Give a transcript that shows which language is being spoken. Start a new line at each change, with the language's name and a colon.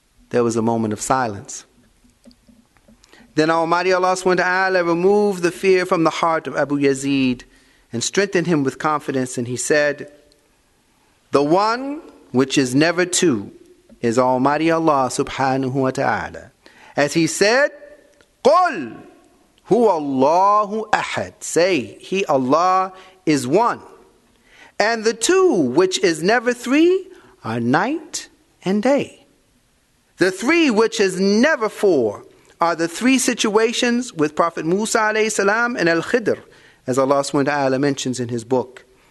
English: there was a moment of silence. Then Almighty Allah subhanahu wa ta'ala removed the fear from the heart of Abu Yazid and strengthened him with confidence, and he said, "The one which is never two is Almighty Allah subhanahu wa ta'ala. As he said,
Arabic: قُلْ هُوَ اللَّهُ أَحَدْ.
English: Say, he Allah is one. And the two which is never three are night and day. The three which is never four are the three situations with Prophet Musa alayhi salam and Al-Khidr, as Allah subhanahu wa ta'ala mentions in his book.